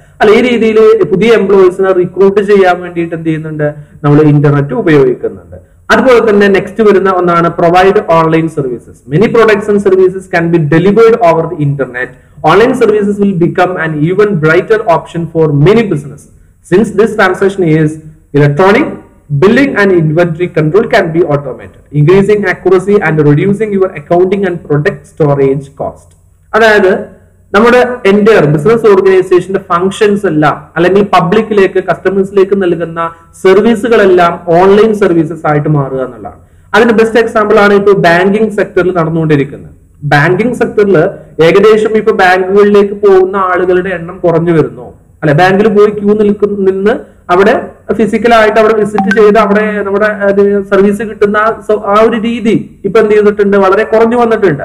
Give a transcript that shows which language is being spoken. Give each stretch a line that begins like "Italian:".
Malayalam: അല്ല, ഈ രീതിയിൽ പുതിയ എംപ്ലോയീസിനെ റിക്രൂട്ട് ചെയ്യാൻ വേണ്ടിയിട്ട് എന്ത് ചെയ്യുന്നുണ്ട്, നമ്മൾ ഇന്റർനെറ്റ് ഉപയോഗിക്കുന്നുണ്ട്. അതുപോലെ തന്നെ നെക്സ്റ്റ് വരുന്ന ഒന്നാണ് provide online services.
English: Many products and services can be delivered over the internet. Online services will become an even brighter option for many business since this transaction is electronic. Billing and inventory control can be automated, increasing accuracy and reducing your accounting and product storage cost.
Malayalam: അതായത് നമ്മുടെ entire business ഓർഗനൈസേഷന്റെ functions എല്ലാം, അല്ലെങ്കിൽ പബ്ലിക്കിലേക്ക് കസ്റ്റമേഴ്സിലേക്ക് നൽകുന്ന സർവീസുകളെല്ലാം online services ആയിട്ട് മാറുക എന്നുള്ളതാണ്. അതിന് ബെസ്റ്റ് എക്സാമ്പിൾ ആണ് ഇപ്പൊ ബാങ്കിങ് സെക്ടറിൽ നടന്നുകൊണ്ടിരിക്കുന്നത്. ബാങ്കിങ് സെക്ടറിൽ ഏകദേശം ഇപ്പൊ ബാങ്കുകളിലേക്ക് പോകുന്ന ആളുകളുടെ എണ്ണം കുറഞ്ഞു വരുന്നു, അല്ലെ, ബാങ്കിൽ പോയി ക്യൂ നിന്ന് അവിടെ ഫിസിക്കലായിട്ട് അവിടെ വിസിറ്റ് ചെയ്ത് അവിടെ നമ്മുടെ സർവീസ് കിട്ടുന്ന ആ ഒരു രീതി ഇപ്പൊ എന്ത് ചെയ്തിട്ടുണ്ട്, വളരെ കുറഞ്ഞു വന്നിട്ടുണ്ട്.